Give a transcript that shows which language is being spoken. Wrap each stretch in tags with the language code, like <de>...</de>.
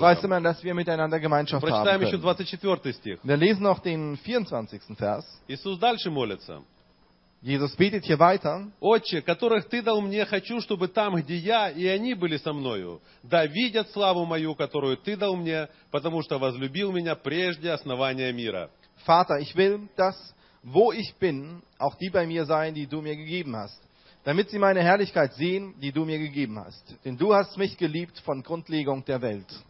<de>Preist immer, dass wir miteinander Gemeinschaft haben.</de> <ru>Прочитаем еще 24 стих.</ru> <de>Wir lesen noch den 24. Vers.</de> <ru>Иисус дальше молится.</ru> <de>Jesus betet hier weiter.</de> <ru>Отче, которых ты дал мне, хочу, чтобы там, где я, и они были со мною, да видят славу мою, которую ты дал мне, потому что возлюбил меня прежде основания мира.</ru> <de>Vater, ich will, dass wo ich bin, auch die bei mir seien, die du mir gegeben hast, damit sie meine Herrlichkeit sehen, die du mir gegeben hast. Denn du hast mich geliebt von Grundlegung der Welt.</de>